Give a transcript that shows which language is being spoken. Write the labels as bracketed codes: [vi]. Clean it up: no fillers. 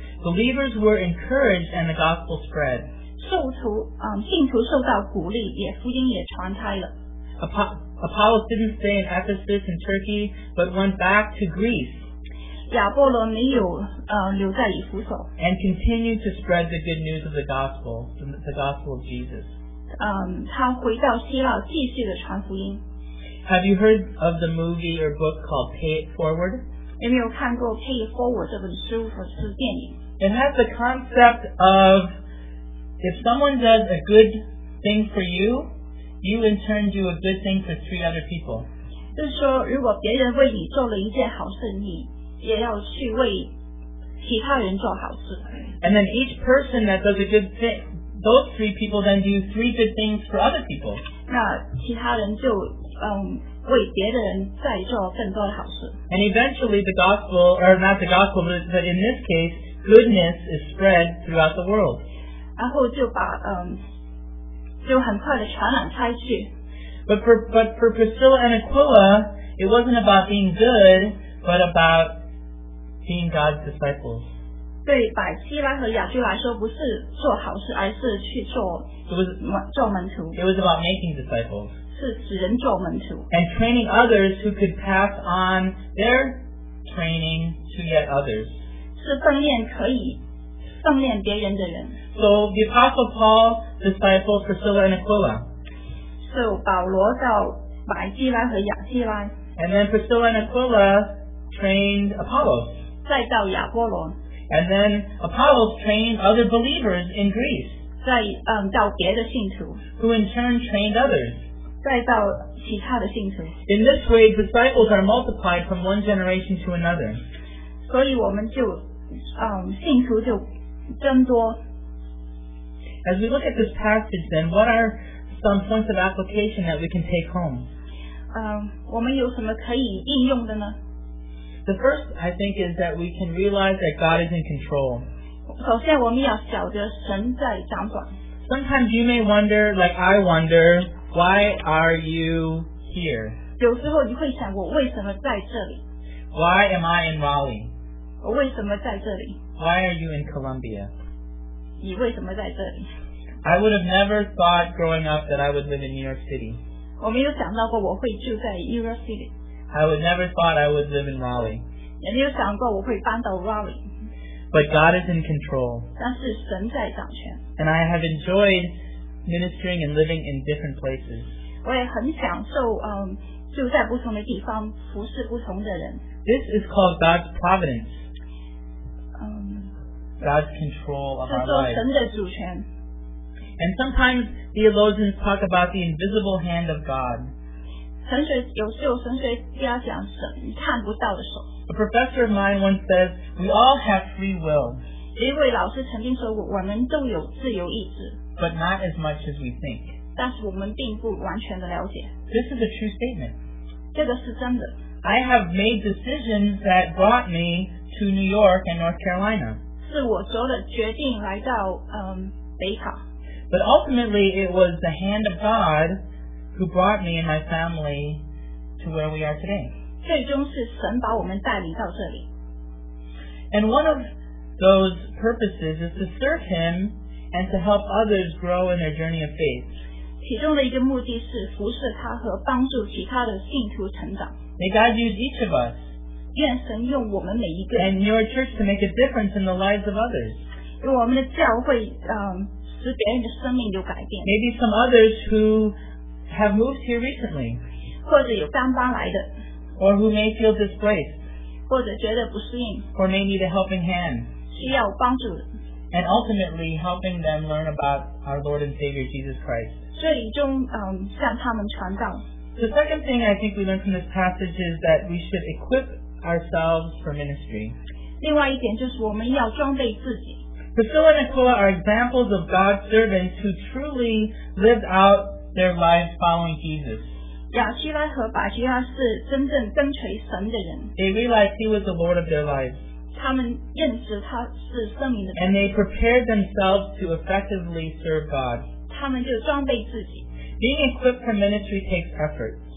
[en] Believers were encouraged and the gospel spread. [zh] 信徒受到鼓励也福音也传开了。 [en] Apollos didn't stay in Ephesus in Turkey, but went back to Greece. [zh] 亚波罗没有留在以弗所。 [en] And continued to spread the good news of the gospel of Jesus. [zh] 他回到希腊继续的传福音。 [en] Have you heard of the movie or book called Pay It Forward? [zh] 有没有看过 Pay It Forward 这本书或是电影? [en] It has the concept of if someone does a good thing for you, you in turn do a good thing for three other people. [zh] 就是说如果别人为你做了一件好事你也要去为其他人做好事。 [en] And then each person that does a good thing, those three people then do three good things for other people. [zh] 那其他人就为别的人再做更多的好事。 [en] And eventually the gospel, or not the gospel, but in this case, goodness is spread throughout the world. [zh] 然后就把就很快的传染开去。 [en] But for Priscilla and Aquila, it wasn't about being good, but about being God's disciples. [zh] 对百基拉和亚居来说，不是做好事，而是去做做门徒。 [en] It was about making disciples. [zh] 是使人做门徒 [en] and training others who could pass on their training to yet others. [zh] 是训练可以训练别人的人 [en] So the Apostle Paul disciples Priscilla and Aquila. [zh] So 保罗到百基拉和亚基拉 [en] And then Priscilla and Aquila trained Apollos. [zh] 再到亚波罗 [en] And then Apollos trained other believers in Greece. [zh] 再到别的信徒 [en] Who in turn trained others. [zh] 再到其他的信徒。 [en] In this way, disciples are multiplied from one generation to another. [zh] 所以我们就信徒就增多。 [en] As we look at this passage, then, what are some points of application that we can take home? [zh] 我们有什么可以应用的呢? [en] The first, I think, is that we can realize that God is in control. [zh] 首先我们要晓得神在掌管。 [en] Sometimes you may wonder, like I wonder, why are you here? [zh] 有时候你会想我为什么在这里。 [en] Why am I in Raleigh? [zh] 我为什么在这里。 [en] Why are you in Columbia? [zh] 你为什么在这里。 [en] I would have never thought growing up that I would live in New York City. [zh] 我没有想到过我会住在 New York City. [en] I would never thought I would live in Raleigh. [zh] 也没有想过我会搬到 Raleigh. [en] But God is in control. [zh] 但是神在掌权。 [en] And I have enjoyed ministering and living in different places. [zh] 我也很享受住在不同的地方，服侍不同的人。 [en] This is called God's providence. God's control of our lives. [zh] 神的主权。 [en] And sometimes theologians talk about the invisible hand of God. [zh] 神学有时候神学家讲神看不到的手。 [en] A professor of mine once says, we all have free will. [zh] 一位老师曾经说我们都有自由意志。 [en] But not as much as we think. [zh] 但是我们并不完全的了解。 [en] This is a true statement. [zh] 这个是真的。 [en] I have made decisions that brought me to New York and North Carolina. [zh] 是我做的决定来到北卡。 [en] But ultimately, it was the hand of God who brought me and my family to where we are today. [zh] 最终是神把我们带领到这里。 [en] And one of those purposes is to serve Him and to help others grow in their journey of faith. [zh] 其中的一个目的是服侍他和帮助其他的信徒成长。 [en] May God use each of us. [zh] 愿神用我们每一个。 [en] And your church to make a difference in the lives of others. [zh] 用我们的教会使别人的生命有改变。 [en] Maybe some others who have moved here recently. [zh] 或者有刚搬来的。 [en] Or who may feel displaced. [zh] 或者觉得不适应。 [en] Or may need a helping hand. [zh] 需要帮助。 [en] And ultimately helping them learn about our Lord and Savior Jesus Christ. [zh] 最终向他们传道。 [en] The second thing I think we learn from this passage is that we should equip ourselves for ministry. [zh] 另外一点就是我们要装备自己。 [en] Priscilla and Aquila are examples of God's servants who truly lived out their lives following Jesus. [zh] 亚希拉和巴基拉是真正跟随神的人。 [en] They realized he was the Lord of their lives. [zh] 他们认识他是生命的主。 [en] And they prepared themselves to effectively serve God. [zh] 他们就装备自己。 [en] Being equipped for ministry takes effort.